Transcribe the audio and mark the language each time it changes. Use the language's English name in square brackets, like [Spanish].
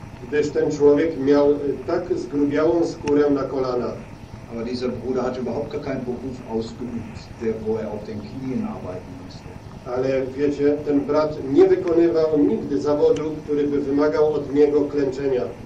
[Polish] Gdyż ten człowiek miał tak zgrubiałą skórę na kolana. [German] Aber dieser Bruder hatte überhaupt gar keinen Beruf ausgeübt, wo er auf den Knien arbeiten musste. [Polish] Ale wiecie, ten brat nie wykonywał nigdy zawodu, który by wymagał od niego klęczenia.